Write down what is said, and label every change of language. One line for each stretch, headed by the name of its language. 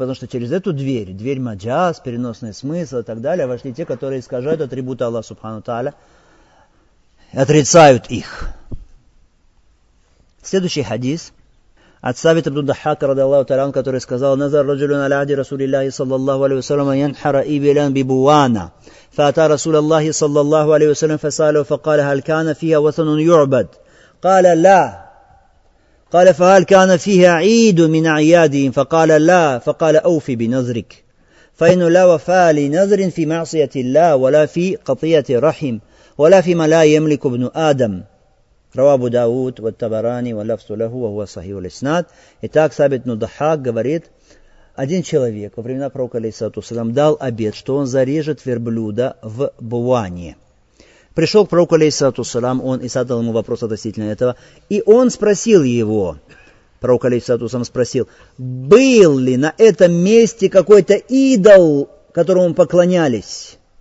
Russian: Потому что через эту дверь, дверь маджаз, переносный смысл и так далее, вошли те, которые искажают атрибуты Аллаха Субхану Тааля, отрицают их. Следующий хадис от Сабита ибн Дахака, радиаллаху тааля, который сказал:
Arabic: «Назар раджулюн аля ади Расулиллахи, саллаллаху алейхи вассалям, янхара ибилян бибуана». فأتى رسول الله صلى الله عليه وسلم فسأله فقال هل كان فيها وثن يعبد قال لا قال فهل كان فيها عيد من أعيادهم فقال لا فقال أوفي بنذرك فإن لا وفاء لنذر في معصية الله ولا في قطيعة رحم ولا في ما لا يملك ابن آدم رواه أبو داود والتبراني واللفظ له وهو صحيح الإسناد.
Russian: Итак, Сабит ибн Дахак говорит: один человек во времена пророка, алейхиссалату вассалям, дал обет, что он зарежет верблюда в Буане. Пришел к пророку, алейхиссалату вассалям, он и задал ему вопрос относительно этого. И он спросил его, пророк, алейхиссалату вассалям, спросил, был ли на этом месте какой-то идол, которому поклонялись?